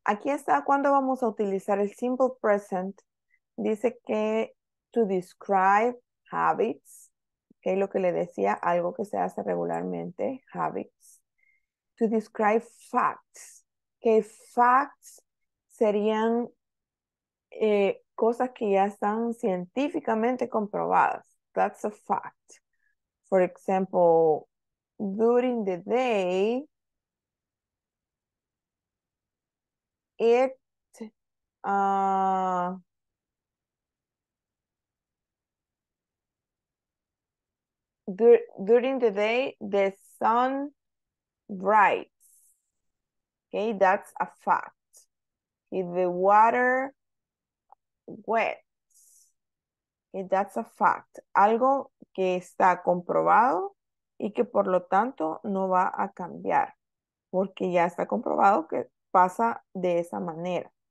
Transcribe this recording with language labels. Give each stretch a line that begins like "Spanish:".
Spanish: Aquí está cuando vamos a utilizar el simple present. Dice que
English: to describe habits.
Spanish: Okay, lo que le decía, algo que se hace regularmente, habits.
English: To describe facts.
Spanish: Okay, facts serían cosas que ya están científicamente comprobadas.
English: That's a fact. For example, during the day, during the day, the sun rises. Okay, that's a fact. If the water wets, okay, that's a fact.
Spanish: Algo que está comprobado y que por lo tanto no va a cambiar. Porque ya está comprobado que pasa de esa manera.